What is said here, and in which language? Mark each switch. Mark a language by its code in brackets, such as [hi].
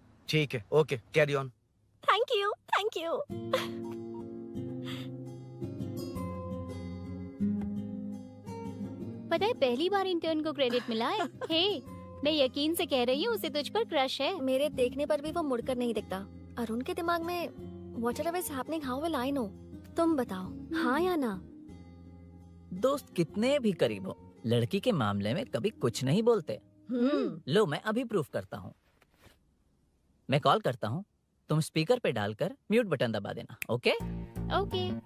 [hi] ठीक है, okay carry on. Thank you. पता है पहली बार इंटर्न को क्रेडिट मिला है। हे, मैं यकीन से कह रही हूँ उसे तुझ पर क्रश है। मेरे देखने पर भी वो मुड़कर नहीं दिखता। अरुण के दिमाग में [en] Whatever is happening, how will I know? [hi] तुम बताओ, हाँ या ना? दोस्त कितने भी करीब हो, लड़की के मामले में कभी कुछ नहीं बोलते। लो मैं अभी प्रूफ करता हूँ। मैं कॉल करता हूँ, तुम स्पीकर पे डालकर म्यूट बटन दबा देना। Okay okay.